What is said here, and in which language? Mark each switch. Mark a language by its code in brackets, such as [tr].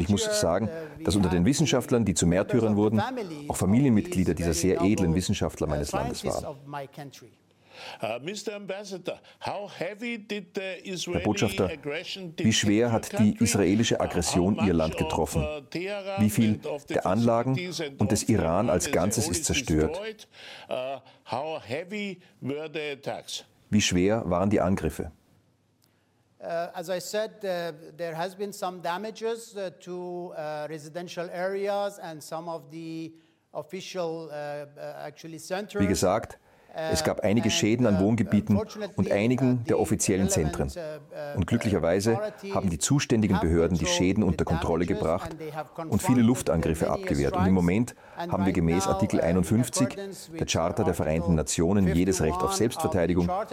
[de] Und ich muss sagen, dass unter den Wissenschaftlern, die zu Märtyrern wurden, auch Familienmitglieder dieser sehr edlen Wissenschaftler meines Landes waren. [en] Mr. Ambassador, how heavy did the Israeli [de] Herr Botschafter, wie schwer hat die israelische Aggression Ihr Land getroffen? Wie viel der Anlagen und des Iran als Ganzes ist zerstört? [en] How heavy were the attacks? [de] Wie schwer waren die Angriffe? [en] As I said, there has been some damages to residential areas and some of the official actually centers. [de] Wie gesagt, es gab einige Schäden an Wohngebieten und einigen der offiziellen Zentren. Und glücklicherweise haben die zuständigen Behörden die Schäden unter Kontrolle gebracht und viele Luftangriffe abgewehrt. Und im Moment haben wir gemäß Artikel 51 der Charta der Vereinten Nationen jedes Recht auf Selbstverteidigung.